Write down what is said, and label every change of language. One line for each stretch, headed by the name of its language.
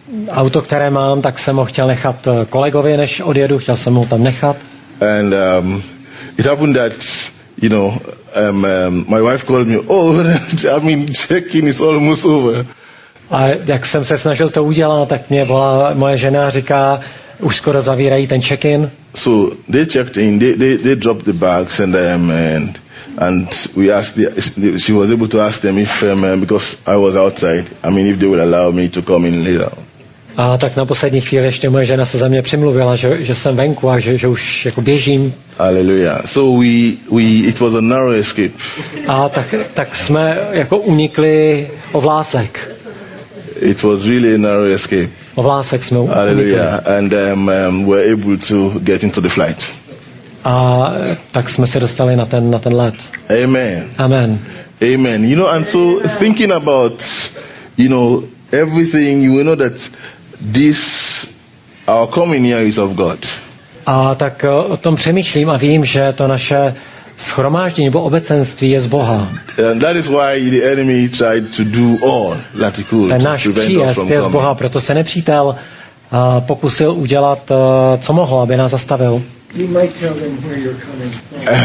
Czech: A auto, které mám, tak jsem ho chtěl nechat kolegovi, než odjedu, chtěl jsem ho tam nechat.
English: And it happened that, you know, my wife called me, check-in is almost over.
Czech: A jak jsem se snažil to udělat, tak mě volá moje žena, říká, už skoro zavírají ten check-in.
English: So they checked in, they dropped the bags and we asked she was able to ask them if because I was outside, I mean if they would allow me to come in later.
Czech: A tak na poslední chvíli ještě moje žena se za mě přimluvila, že jsem venku a že už jako běžím.
English: Hallelujah. So we it was a narrow escape.
Czech: A tak jsme jako unikli ovlásek.
English: It was really a narrow escape.
Czech: Ovlásek jsme unikli.
English: Hallelujah. And we're able to get into the flight.
Czech: A tak jsme se dostali na ten let.
English: Amen. Amen. Amen. You know, and so thinking about, you know, everything, you know that this our coming here is of God.
Czech: A tak o tom přemýšlím a vím, že to naše shromáždění nebo obecenství je z Boha.
English: And that is why the enemy tried to do all that he could.
Czech: Ten náš příjezd je z Boha, proto se nepřítel pokusil udělat co mohl, aby nás zastavil.
English: You might tell them where you're coming from.